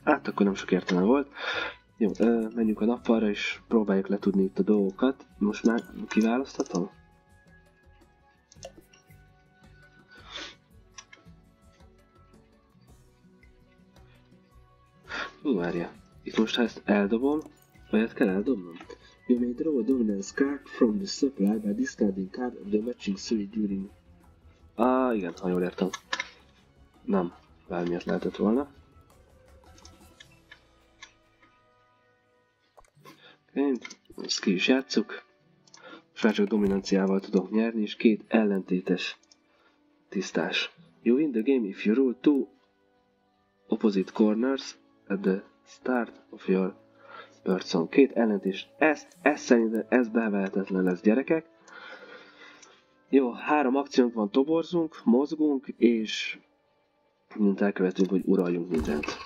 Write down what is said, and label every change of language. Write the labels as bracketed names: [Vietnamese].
[Hungarian] Hát, akkor nem sok értelme volt. Jó, menjünk a nappalra, és próbáljuk letudni itt a dolgokat. Most már kiválasztatom? Hú, várja. Itt most, ha ezt eldobom, vagy ezt kell eldobnom? [English] You may draw a dominance card from the supply by discarding card of the matching suit during... [Hungarian] igen, ha jól értem. Nem, bármiért lehetett volna. Én ezt ki is játsszuk. Most már csak dominanciával tudok nyerni, és két ellentétes tisztás. [English] You win the game if you rule two opposite corners at the start of your birdsong. [Hungarian] Két ellentés. Ez szerintem ez bevehetetlen lesz, gyerekek. Jó, 3 akciónk van, toborzunk, mozgunk, és... mint elkövetünk, hogy uraljunk mindent.